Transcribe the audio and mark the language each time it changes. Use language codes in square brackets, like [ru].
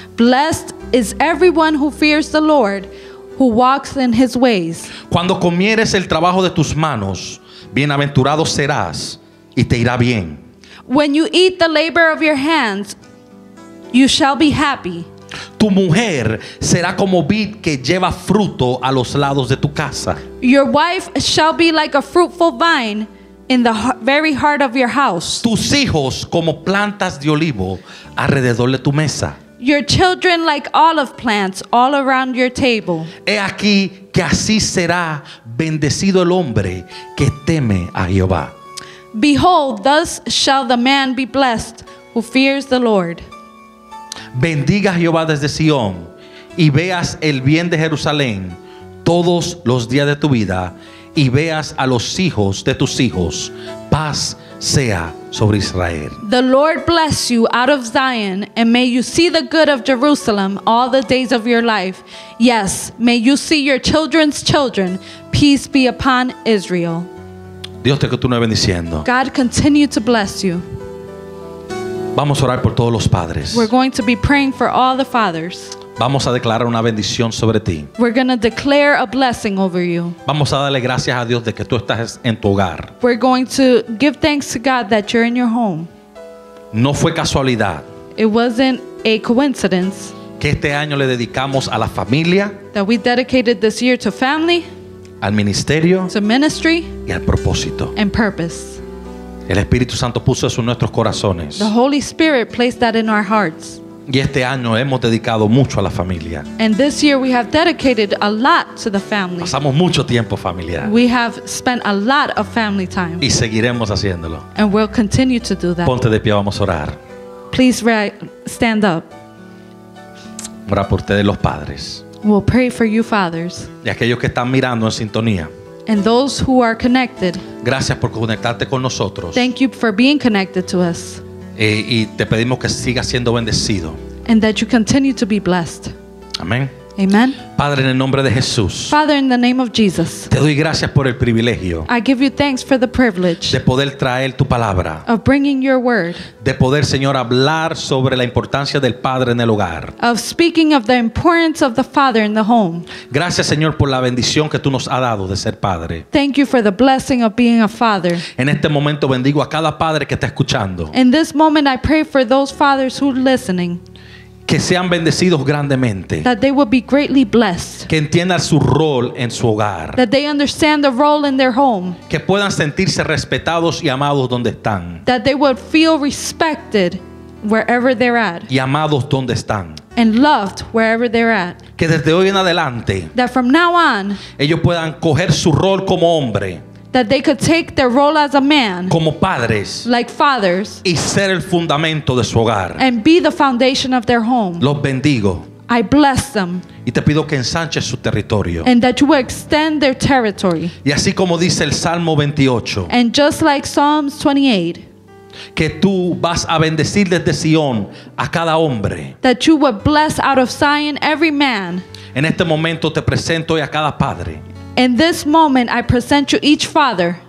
[en] Blessed is everyone who fears the Lord, who walks in his ways. [es] Cuando comieres el trabajo de tus manos, bienaventurado serás y te irá bien. [en] When you eat the labor of your hands, you shall be happy. [es] Tu mujer será como vid que lleva fruto a los lados de tu casa. [en] Your wife shall be like a fruitful vine. In the very heart of your house. [es] Tus hijos como plantas de olivo alrededor de tu mesa. [en] Your children like olive plants all around your table. [es] He aquí que así será bendecido el hombre que teme a Jehová. [en] Behold, thus shall the man be blessed who fears the Lord. [es] Bendiga Jehová desde Sion y veas el bien de Jerusalén todos los días de tu vida. Y veas a los hijos de tus hijos. Paz sea sobre Israel. [en] The Lord bless you out of Zion, and may you see the good of Jerusalem all the days of your life. Yes, may you see your children's children. Peace be upon Israel. [es] Dios te continúe bendiciendo. [en] God continue to bless you. [es] Vamos a orar por todos los padres. [en] We're going to be praying for all the fathers. [es] Vamos a declarar una bendición sobre ti. [en] We're going to declare a blessing over you. [es] Vamos a darle gracias a Dios de que tú estás en tu hogar. [en] We're going to give thanks to God that you're in your home. [es] No fue casualidad. [en] It wasn't a coincidence. [es] Que este año le dedicamos a la familia. [en] That we dedicated this year to family. [es] Al ministerio. [en] To ministry. [es] Y al propósito. [en] And purpose. [es] El Espíritu Santo puso eso en nuestros corazones. [en] The Holy Spirit placed that in our hearts. [es] Y este año hemos dedicado mucho a la familia. [en] And this year we have dedicated a lot to the family. [es] Pasamos mucho tiempo familiar. [en] We have spent a lot of family time. [es] Y seguiremos haciéndolo. [en] And we'll continue to do that. [es] Ponte de pie, vamos a orar. [en] Please stand up. [es] Ora por ustedes los padres. [en] We'll pray for you, fathers. [es] Y aquellos que están mirando en sintonía. [en] And those who are connected. [es] Gracias por conectarte con nosotros. [en] Thank you for being connected to us. [es] Y te pedimos que sigas siendo bendecido. [en] And that you continue to be blessed. [es] Amén. [en] Amen. [es] Padre, en el nombre de Jesús. [en] Father, in the name of Jesus. [es] Te doy gracias por el privilegio. [en] I give you thanks for the privilege. [es] De poder traer tu palabra. [en] Of bringing your word. [es] De poder, Señor, hablar sobre la importancia del padre en el hogar. [en] Of speaking of the importance of the father in the home. [es] Gracias, Señor, por la bendición que tú nos has dado de ser padre. [en] Thank you for the blessing of being a father. [es] En este momento bendigo a cada padre que está escuchando. [en] In this moment I pray for those fathers who are listening. [es] Que sean bendecidos grandemente. [en] That they will be greatly blessed. [es] Que entiendan su rol en su hogar. [en] That they understand the role in their home. [es] Que puedan sentirse respetados y amados donde están. [en] That they will feel respected wherever they're at. [es] Y amados donde están. [en] And loved wherever they're at. [es] Que desde hoy en adelante. [en] That from now on. [es] Ellos puedan coger su rol como hombre. [en] That they could take their role as a man, [es] como padres, [en] like fathers, [es] y ser el fundamento de su hogar, [en] and be the foundation of their home. [es] Los bendigo. [en] I bless them. [es] Y te pido que ensanches su territorio. [en] And that you will extend their territory. [es] Y así como dice el Salmo 28, [en] and just like Psalms 28, [es] que tú vas a bendecir desde Sion a cada hombre, [en] that you will bless out of Zion every man. [es] En este momento te presento hoy a cada padre. [en] In this moment, I present you each father.